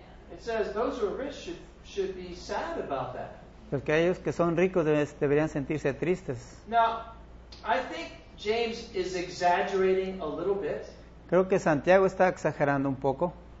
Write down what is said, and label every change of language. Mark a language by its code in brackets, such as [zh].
[en] It says those who are rich should be sad about that. [es] Los que ellos que son ricos deberían sentirse tristes. [en] Now, I think James is exaggerating a little bit. [es] Creo que Santiago está exagerando un poco.